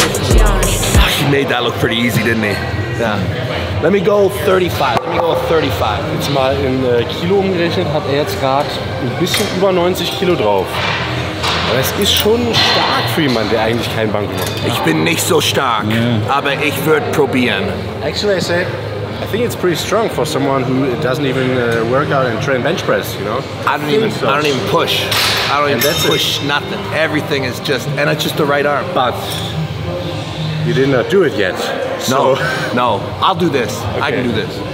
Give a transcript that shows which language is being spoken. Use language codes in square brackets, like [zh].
[en] He made that look pretty easy, didn't he? Yeah. Let me go 35. Let me go 35. [de] Jetzt mal in Kilo umgerechnet hat jetzt gerade ein bisschen über 90 Kilo drauf. Aber es ist schon stark für jemanden, der eigentlich keinen Bank macht. Ich bin nicht so stark, aber ich würde probieren. [en] Actually, I think it's pretty strong for someone who doesn't even work out and train bench press, you know? I don't even push. I don't even push nothing. Everything is just, and it's just the right arm. But you did not do it yet. So. No. I'll do this. Okay. I can do this.